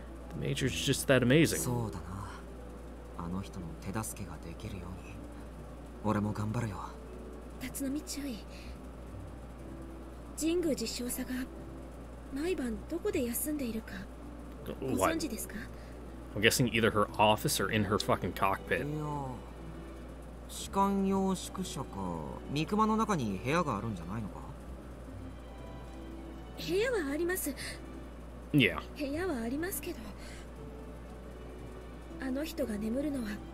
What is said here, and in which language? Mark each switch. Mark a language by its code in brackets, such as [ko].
[en] The Major's just that amazing. [ja] そうだな。あの人の手助けができるように。俺も頑張るよ。立浪注意。神宮寺少佐が毎晩どこで休んでいるかご存知ですか？ [en] I'm guessing either her office or in her fucking cockpit. [ja] いや、士官用宿舎か三熊の中に部屋があるんじゃないのか？部屋はあります。 [en] Yeah. [ja] 部屋はありますけど、あの人が眠るのは。